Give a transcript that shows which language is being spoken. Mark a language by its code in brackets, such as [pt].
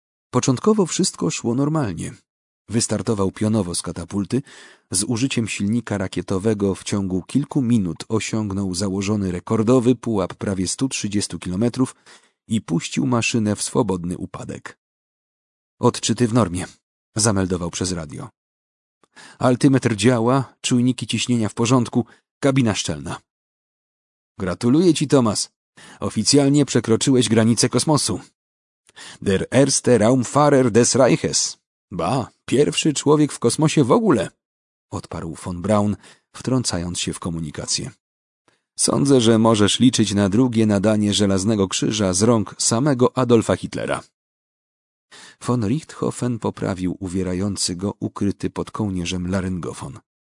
[pl] Początkowo wszystko szło normalnie. Wystartował pionowo z katapulty, z użyciem silnika rakietowego w ciągu kilku minut osiągnął założony rekordowy pułap prawie 130 km i puścił maszynę w swobodny upadek. Odczyty w normie, zameldował przez radio. Altymetr działa, czujniki ciśnienia w porządku, kabina szczelna. Gratuluję ci, Thomas. Oficjalnie przekroczyłeś granicę kosmosu. [de] Der erste Raumfahrer des Reiches. [pl] Ba, pierwszy człowiek w kosmosie w ogóle, odparł von Braun, wtrącając się w komunikację. Sądzę, że możesz liczyć na drugie nadanie żelaznego krzyża z rąk samego Adolfa Hitlera. Von Richthofen poprawił uwierający go ukryty pod kołnierzem laryngofon.